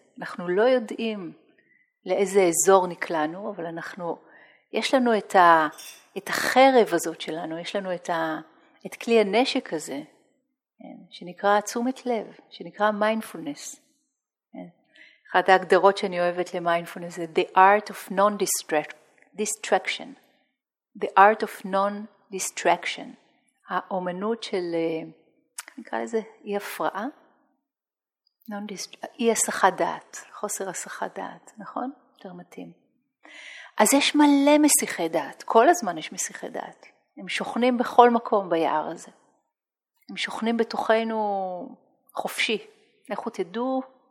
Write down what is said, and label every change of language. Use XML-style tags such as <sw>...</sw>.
<he>אנחנו לא יודעים לאיזה אזור נקלענו, אבל אנחנו, יש לנו את, את החרב הזאת שלנו, יש לנו את, את כלי הנשק הזה, כן, שנקרא תשומת לב, שנקרא מיינדפולנס. אחת ההגדרות שאני אוהבת למיינדפולנס זה</he> <en>The art of non-distraction. The art of non-distraction.</en> <he>האומנות של, נקרא לזה, אי הפרעה. אי הסחת דעת, חוסר הסחת דעת, נכון? יותר מתאים. אז יש מלא מסיחי דעת, כל הזמן יש מסיחי דעת. הם שוכנים בכל מקום ביער הזה. הם שוכנים בתוכנו חופשי. איך הוא תדעו?</he>